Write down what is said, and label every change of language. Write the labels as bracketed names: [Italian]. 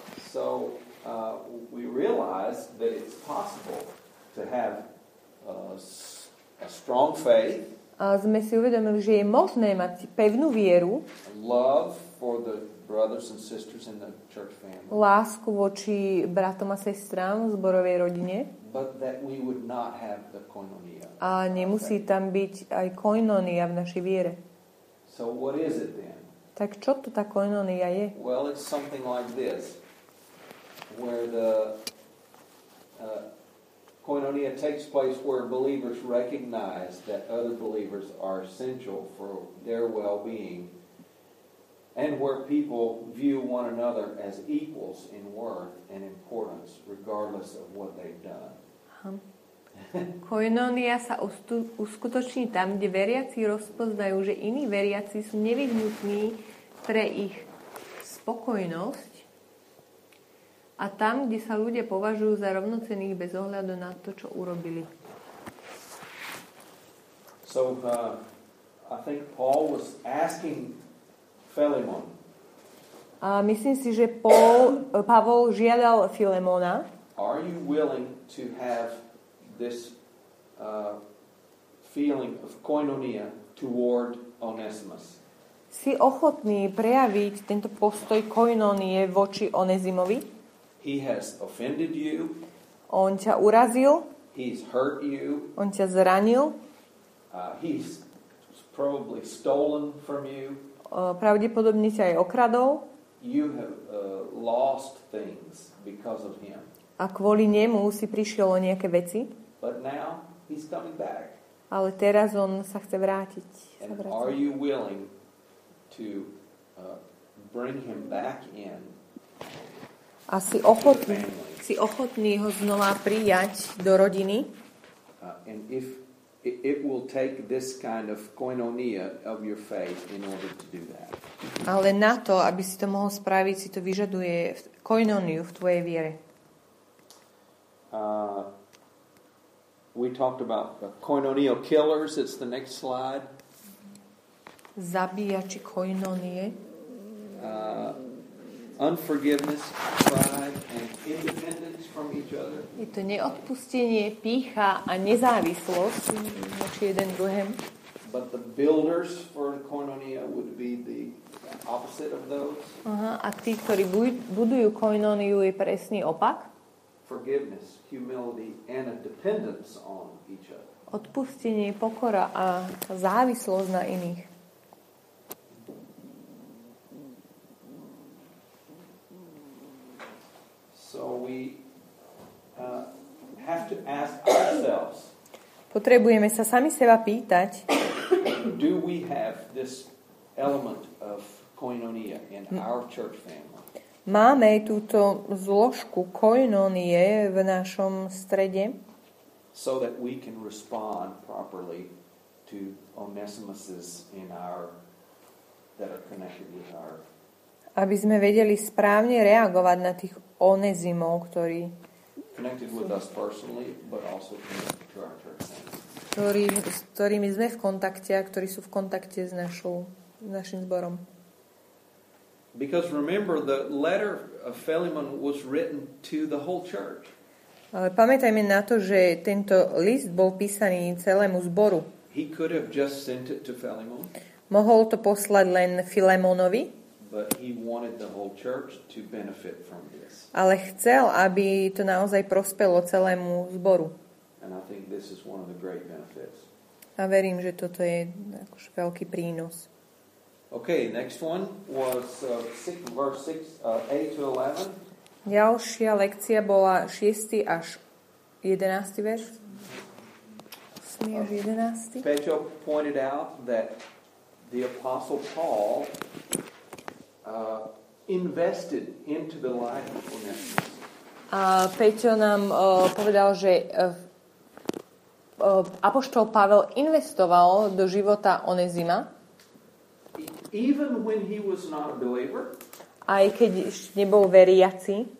[English] So we realize that it's possible to have a strong faith. [Slovak] A sme si uvedomili, že je možné mať pevnú vieru. [English] Love for the brothers and sisters in the church family. [Slovak] Lásku voči bratom a sestrám v zborovej rodine. [English] But that we would not have the koinonia. [Slovak] A nemusí tam byť aj koinonia v našej viere. [English] So what is it then? [Slovak] Tak čo to tá koinonia je? [English] Well, it's something like this, where the koinonia takes place where believers recognize that other believers are essential for their well-being, and where people view one another as equals in worth and importance regardless of what they've done. [Slovak] Koinonia sa uskutoční tam, kde veriaci rozpoznajú, že iní veriaci sú nevyhnutní pre ich spokojnosť, a tam, kde sa ľudia považujú za rovnocenných bez ohľadu na to, čo urobili. [English] So, I think Paul was asking Philemon. [Slovak] A myslím si, že Pavol žiadal Filemona. [English] Are you willing to have this feeling of koinonia toward Onesimus? [Slovak] Si ochotný prejaviť tento postoj koinonie voči Onesimovi? [English] He has offended you. [Slovak] On ťa urazil. [English] He's hurt you. [Slovak] On ťa zranil. [English] He's probably stolen from you. [Slovak] Pravdepodobne ťa aj okradol. [English] You have lost things because of him. [Slovak] A kvôli nemu si prišiel o nejaké veci. [English] But now he's coming back. [Slovak] Ale teraz on sa chce vrátiť. [English] And are you willing to bring him back in? [Slovak] A si ochotný ho znova prijať do rodiny? [English] And if it will take this kind of koinonia of your faith in order to do that. [Slovak] Ale na to, aby si to mohol spraviť, si to vyžaduje koinoniu v tvojej viere. [English] We talked about the koinonia killers. It's the next slide. [Slovak] Zabíjači koinonie. [English] Unforgiveness, pride, and independence from each other. [Slovak] Je to neodpustenie, pýcha a nezávislosť voči jeden druhému. [English] But the builders for koinonia would be the opposite of those. [Slovak] A tí, ktorí budujú koinoniu, je presný opak. [English] Forgiveness, humility, and a dependence on each other. [Slovak] Odpustenie, pokora a závislosť na iných. [English] So we have to ask ourselves. [Slovak] Potrebujeme sa sami seba pýtať. [English] Do we have this element of koinonia in our church family? [Slovak] Máme túto zložku koinonie v našom strede. [English] So that we can respond properly to Onesimus's in our that are connected with our. [Slovak] Aby sme vedeli správne reagovať na tých Onesimov, ktorí [English] connected with us personally, but also connected to our church. [Slovak] S ktorými sme v kontakte a ktorí sú v kontakte s našim zborom. [English] Because remember the letter of Philemon was written to the whole church. [Slovak] Ale pamätajme na to, že tento list bol písaný celému zboru. [English] He could have just sent it to Philemon. [Slovak] Mohol to poslať len Filemonovi. [English] But he wanted the whole church to benefit from this. [Slovak] Ale chcel, aby to naozaj prospelo celému zboru. [English] And I think this is one of the great benefits. [Slovak] A verím, že toto je akože veľký prínos. [English] Okay, next one was verse 6, 8 to 11. [Slovak] Ďalšia lekcia bola 6. až 11. verš. 8. až 11. [English] Peťo pointed out that the Apostle Paul invested into the life of Onesimus. [Slovak] A Peťo nám povedal, že Apoštol Pavel investoval do života Onesima. [English] Even when he was not a believer, [Slovak] aj keď ešte nebol veriaci,